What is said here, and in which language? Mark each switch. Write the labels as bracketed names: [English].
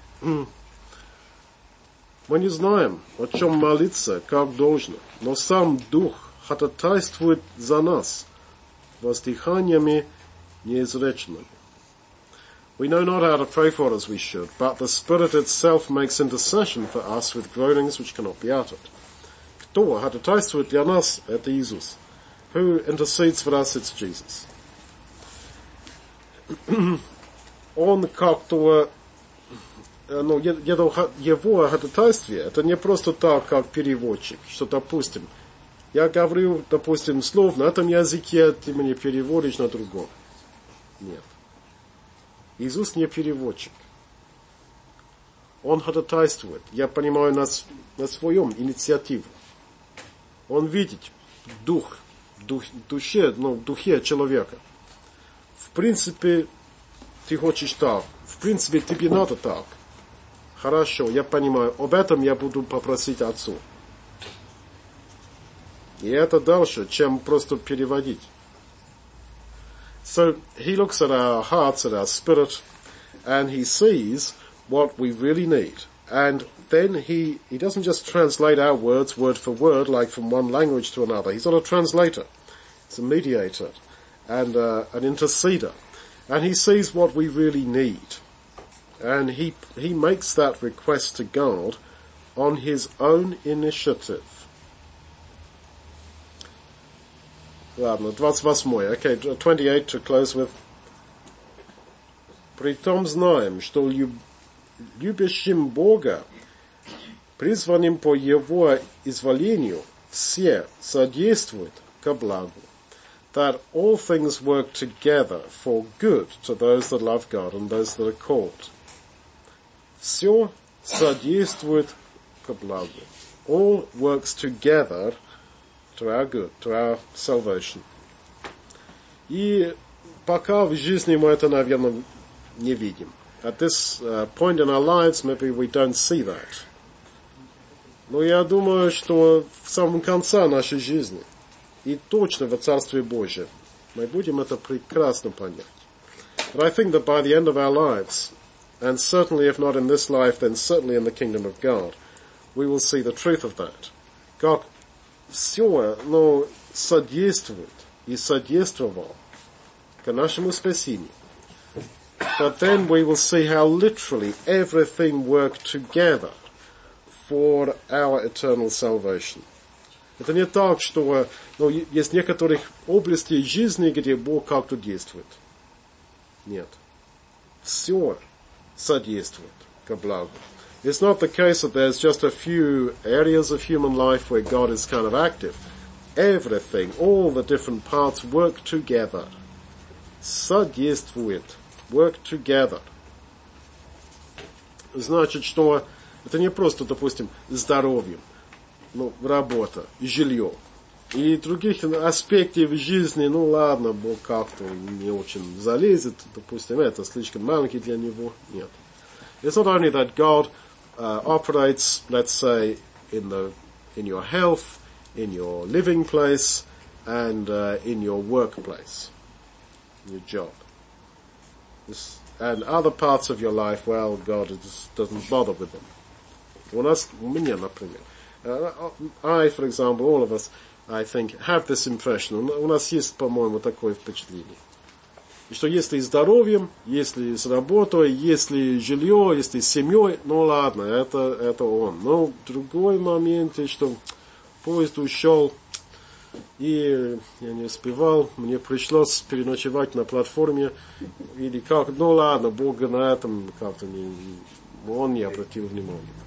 [Russian] Мы не знаем, о чем молиться, как должно, но сам Дух ходатайствует за нас воздыханиями неизреченными. [English] We know not how to pray for as we should, but the Spirit itself makes intercession for us with groanings which cannot be uttered. [Russian] Кто ходатайствует для нас? Это Иисус. [English] Who intercedes for us? It's Jesus. [Russian] Он как-то, ну, его ходатайствие, это не просто так, как переводчик, что, допустим, я говорю, допустим, слов на этом языке, ты мне переводишь на другом. Нет. Иисус не переводчик. Он ходатайствует, я понимаю, на своем инициативу. Он видит в духе человека. В принципе, ты хочешь так. В принципе, тебе надо так. Хорошо, я понимаю. Об этом я буду попросить Отцу. И это дальше, чем просто переводить. [English] So, he looks at our hearts, at our spirit, and he sees what we really need. And then he doesn't just translate our words word for word, like from one language to another. He's not a translator. He's a mediator and an interceder. And he sees what we really need. And he makes that request to God on his own initiative. [Russian] Ладно, 28. [English] Okay, 28 to close with. [Russian] Притом знаем, что любящим Бога, призванным по его изволению, все содействуют ко благу. [English] That all things work together for good to those that love God and those that are called. [Russian] Все содействует ко благу. [English] All works together to our good, to our salvation. [Russian] И пока в жизни мы это, наверное, не видим. [English] At this point in our lives, maybe we don't see that. [Russian] Но я думаю, что в самом конце нашей жизни и точно во Царстве Божьем мы будем это прекрасно понять. [English] But I think that by the end of our lives, and certainly if not in this life, then certainly in the kingdom of God, we will see the truth of that. [Russian] Как все, но содействует и содействовал к нашему спасению. [English] But then we will see how literally everything worked together for our eternal salvation. [Russian] Это не так, что есть некоторых областей жизни, где Бог как-то действует. Нет. Все содействует к благу. [English] It's not the case that there's just a few areas of human life where God is kind of active. Everything, all the different parts work together. Содействует. Work together. [Russian] Значит, что это не просто, допустим, здоровьем, ну, работа, жилье. И других аспектов жизни, ну ладно, Бог как-то не очень залезет, допустим, это слишком маленький для него. Нет. [English] It's not only that God operates, let's say, in your health, in your living place, and in your workplace, your job. And other parts of your life, well, God just doesn't bother with them. [Russian] У нас, у меня, например. [English] I, for example, all of us, I think, have this impression. [Russian] У нас есть, по-моему, такое впечатление. Что если с здоровьем, если с работой, если жилье, если с семьей, ну ладно, это он. Но в другой момент, что поезд ушел, и я не успевал, мне пришлось переночевать на платформе, или как, ну ладно, Бог на этом как-то не, он не обратил внимания.